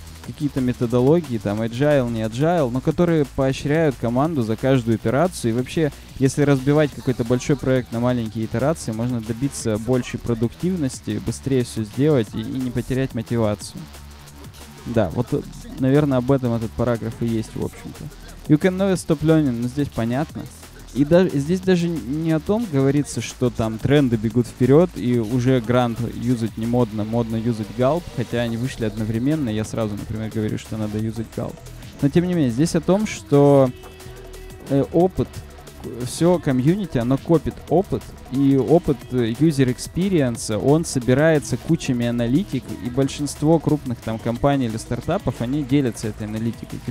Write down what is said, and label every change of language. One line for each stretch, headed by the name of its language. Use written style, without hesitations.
Russian: какие-то методологии, там, agile, не agile, но которые поощряют команду за каждую итерацию. И вообще, если разбивать какой-то большой проект на маленькие итерации, можно добиться большей продуктивности, быстрее все сделать и не потерять мотивацию. Да, вот, наверное, об этом этот параграф и есть, в общем-то.
English: You can never stop learning,
Russian: но здесь понятно. И здесь даже не о том говорится, что там тренды бегут вперед, и уже Grunt юзать не модно, модно юзать Gulp, хотя они вышли одновременно, я сразу, например, говорю, что надо юзать Gulp. Но тем не менее, здесь о том, что опыт, все комьюнити, оно копит опыт, и опыт user experience, он собирается кучами аналитик, и большинство крупных там компаний или стартапов, они делятся этой аналитикой.